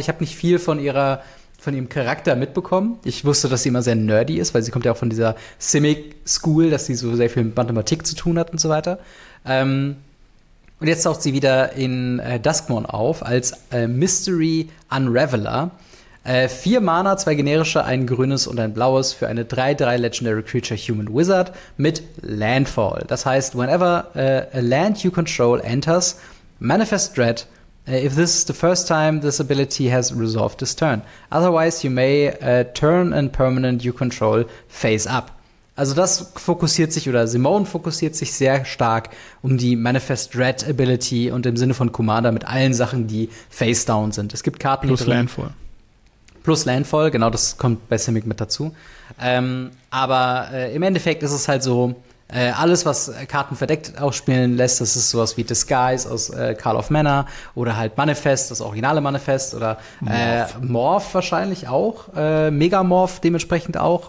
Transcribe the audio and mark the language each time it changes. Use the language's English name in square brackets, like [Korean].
[German] Ich habe nicht viel von ihrem Charakter mitbekommen. Ich wusste, dass sie immer sehr nerdy ist, weil sie kommt ja auch von dieser Simic School, dass sie so sehr viel mit Mathematik zu tun hat und so weiter. Und jetzt taucht sie wieder in Duskmourne auf als Mystery Unraveler. 4 Mana, 2 generische, ein grünes und ein blaues für eine 3/3 Legendary Creature Human Wizard mit Landfall. Das heißt, [English] whenever a land you control enters, manifest Dread, if this is the first time this ability has resolved this turn. Otherwise, you may turn and permanent you control face up. [German] Also das fokussiert sich, oder Simone fokussiert sich sehr stark um die Manifest Dread Ability und im Sinne von Commander mit allen Sachen, die face down sind. Es gibt Karten, plus Landfall. Plus Landfall, genau, das kommt bei Simic mit dazu. Aber im Endeffekt ist es halt so, alles, was Karten verdeckt ausspielen lässt, das ist sowas wie Disguise aus Call of Mana oder halt Manifest, das originale Manifest, oder Morph wahrscheinlich auch, Megamorph dementsprechend auch.